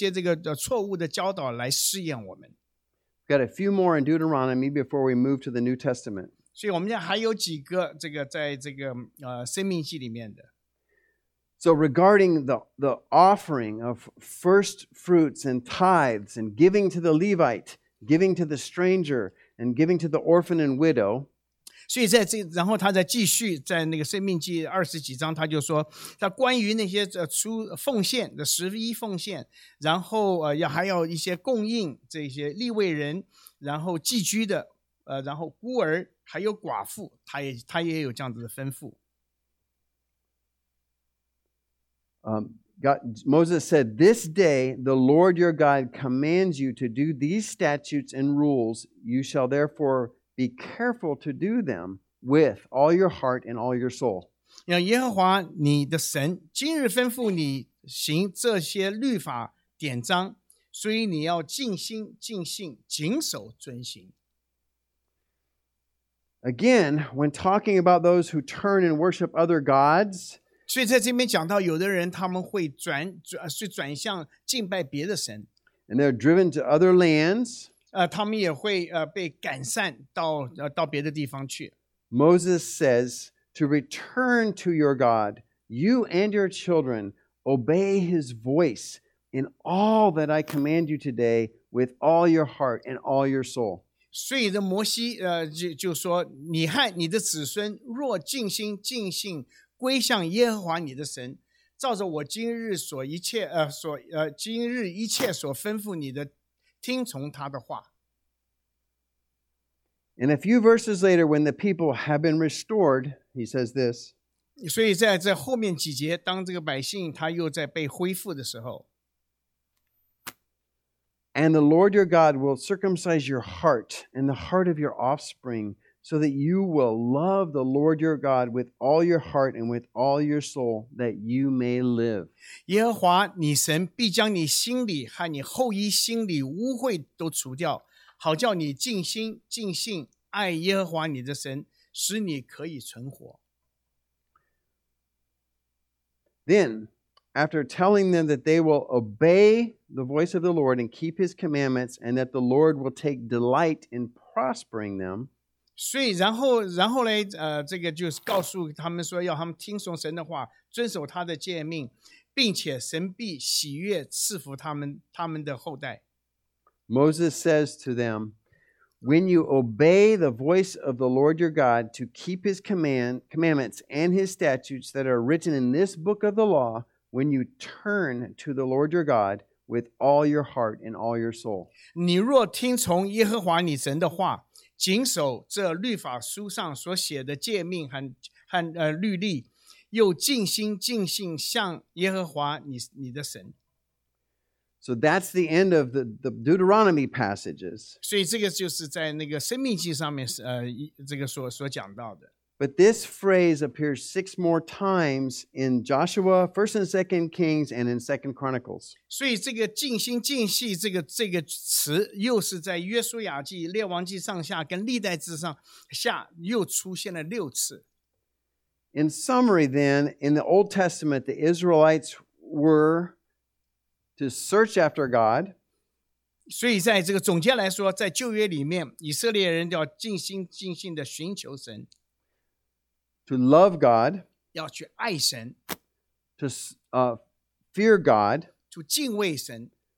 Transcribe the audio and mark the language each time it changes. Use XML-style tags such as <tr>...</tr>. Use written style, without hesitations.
<zh>所以，特别是在这个网站上面的一些讲道，有的时候你真正要听到的这些话语的时候，你要回到神的话语里面看，是不实神借着他们这些这个错误的教导来试验我们。</zh> <en>Got a few more in Deuteronomy before we move to the New Testament.</en> <zh>所以我们还有几个这个在这个生命记里面的。</zh> <en>So regarding the offering of first fruits and tithes and giving to the Levite, giving to the stranger, and giving to the orphan and widow.</en> <zh>所以在这，然后他在继续在那个生命记二十几章，他就说，他关于那些奉献的十一奉献，然后还要一些供应这些利未人。然后寄居的，然后孤儿，还有寡妇，他也有这样子的吩咐。</zh> <en>Moses said, "This day the Lord your God commands you to do these statutes and rules. You shall therefore be careful to do them with all your heart and all your soul."</en> <zh>耶和华你的神今日吩咐你行这些律法典章。所以你要尽心尽性谨守遵行。</zh> <en>Again, when talking about those who turn and worship other gods,</en> <zh>所以在这边讲到，有的人他们会转向敬拜别的神。</zh> <en>And they're driven to other lands.</en> <zh>他们也会被赶散到别的地方去。</zh> <en>Moses says to return to your God, you and your children, obey His voice. In all that I command you today, with all your heart and all your soul.</en> <zh>所以的摩西就说你和你的子孙若尽心尽性归向耶和华你的神照着我今日所一切今日一切所吩咐你的听从他的话。</zh> <en>And a few verses later, when the people have been restored, he says this.</en> <zh>所以在这后面几节，当这个百姓他又在被恢复的时候。</zh> <en>And the Lord your God will circumcise your heart and the heart of your offspring, so that you will love the Lord your God with all your heart and with all your soul, that you may live.</en> <zh>耶和华你神必将你心里和你后裔心里污秽都除掉。好叫你尽心尽性爱耶和华你的神，使你可以存活。</zh> <en>Then, after telling them that they will obey the voice of the Lord and keep His commandments, and that the Lord will take delight in prospering them,</en> <zh>所以然后嘞，这个就是告诉他们说，要他们听从神的话，遵守他的诫命，并且神必喜悦赐福他们的后代。</zh> <en>Moses says to them, when you obey the voice of the Lord your God to keep his commandments and his statutes that are written in this book of the law, when you turn to the Lord your God with all your heart and all your soul.</en> <zh>你若听从耶和华你神的话，谨守这律法书上所写的诫命和律例，又尽心尽性向耶和华你的神。</zh> <en>So that's the end of the Deuteronomy passages.</en> <zh>所以这个就是在那个生命记上面这个所讲到的。</zh> <en>But this phrase appears 6 more times in Joshua, 1st and 2nd Kings, and in 2nd Chronicles.</en> <zh>所以这个尽心尽细这个词又是在约书亚记、列王记上下跟历代志上下又出现了六次。</zh> <en>In summary then, in the Old Testament, the Israelites were... to search after God.</en> <zh>所以在这个总结来说，在旧约里面，以色列人要尽心尽性的寻求神。</zh> <en>To love God.</en> <zh>要去爱神。</zh> <en>To fear God.</en> <zh>去敬畏神。</zh>